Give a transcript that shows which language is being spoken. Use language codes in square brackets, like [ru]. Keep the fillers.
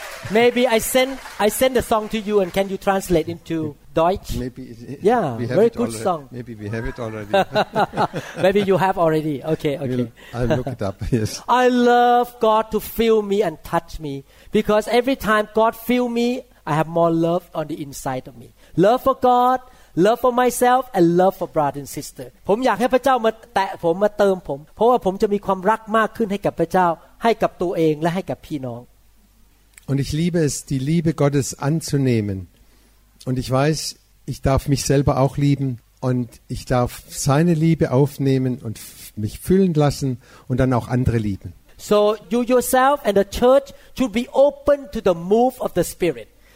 [en] Maybe I send I send a song to you and can you translate into Deutsch? Maybe it, it yeah, we very good already. song. Maybe we have it already. Maybe you have already. Okay, okay. We'll, I'll look it up. Yes. I love God to feel me and touch me because every time God feel me, I have more love on the inside of me. Love for God. Love for myself and love for brother and sister [th] ผมอยากให้พระเจ้ามาแตะผมมาเติมผมเพราะว่าผมจะมีความรักมากขึ้นให้กับพระเจ้าให้กับตัวเองและให้กับพี่น้อง [de] Und ich liebe es, die Liebe Gottes anzunehmen. Und ich weiß, ich darf mich selber auch lieben und ich darf seine Liebe aufnehmen und f- mich füllen lassen und dann auch andere lieben. [en] So you yourself and the church should be open to the move of the Spirit.